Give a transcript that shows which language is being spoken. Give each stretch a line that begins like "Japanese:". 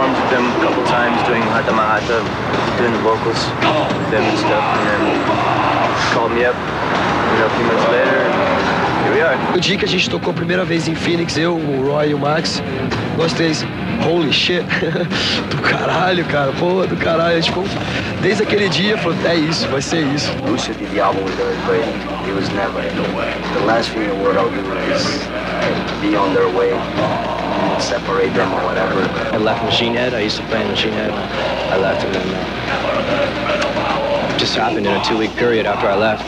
English: Them a couple times doing Hata Mahata, doing the vocals with them and stuff, and then called me up, you know, a few months later.
Portuguese: O dia que a gente tocou a primeira vez em Phoenix, eu, o Roy e o Max, nós três,
English: holy shit,
Portuguese: do caralho, cara, porra, do caralho. Tipo, desde aquele dia, falou, é isso, vai ser isso.
English: Lucio did the album with us, but it was never in the way. The last thing in the world I'll do is be on their way, separate them or whatever. I left Machine Head, I used to play in Machine Head. I left and then just happened in a two-week period after I left.